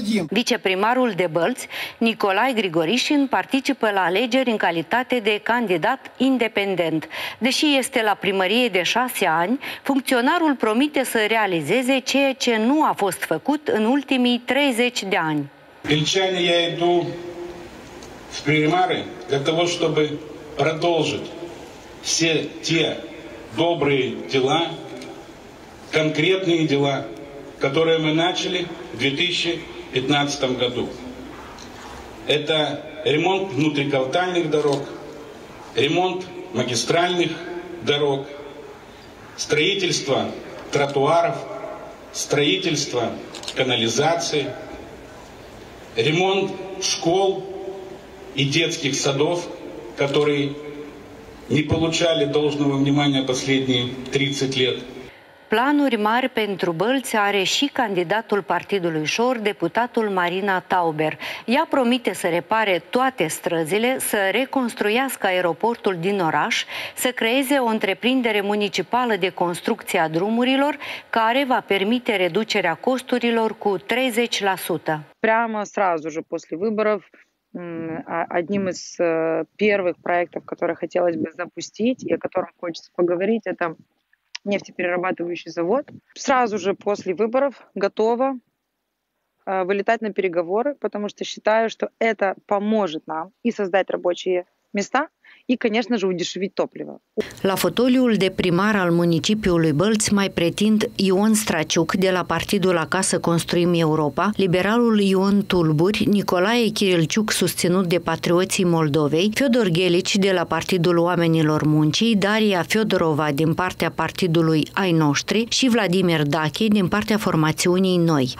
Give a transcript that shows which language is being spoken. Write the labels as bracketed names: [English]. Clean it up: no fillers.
[Romanian] Viceprimarul de Bălți, Nicolae Grigorișin, participă la alegeri în calitate de candidat independent. Deși este la primărie de 6 ani, funcționarul promite să realizeze ceea ce nu a fost făcut în ultimii 30 de ani. De ce [Russian] я иду в примары? Для того, чтобы продолжить все те добрые дела, конкретные дела, которые мы начали в 2015 году. Это ремонт внутриквартальных дорог, ремонт магистральных дорог, строительство тротуаров, строительство канализации, ремонт школ и детских садов, которые не получали должного внимания последние 30 лет. [Romanian] Planuri mari pentru Bălți are și candidatul Partidului Șor, deputatul Marina Tauber. Ea promite să repare toate străzile, să reconstruiască aeroportul din oraș, să creeze o întreprindere municipală de construcție a drumurilor, care va permite reducerea costurilor cu 30%. [Russian] Прямо сразу же после выборов одним из первых проектов, которые хотелось бы запустить и о котором хочется поговорить, это нефтеперерабатывающий завод. Сразу же после выборов готова вылетать на переговоры, потому что считаю, что это поможет нам и создать рабочие места, и, конечно же, удешевить топливо. [Romanian] La fotoliul de primar al municipiului Bălți mai pretind Ion Straciuc de la partidul Acasă Construim Europa, liberalul Ion Tulburi, Nicolae Chirilciuc susținut de Patrioții Moldovei, Fiodor Ghelici de la partidul Oamenilor Muncii, Daria Fiodorova din partea partidului Ai Noștri și Vladimir Dache din partea formațiunii Noi.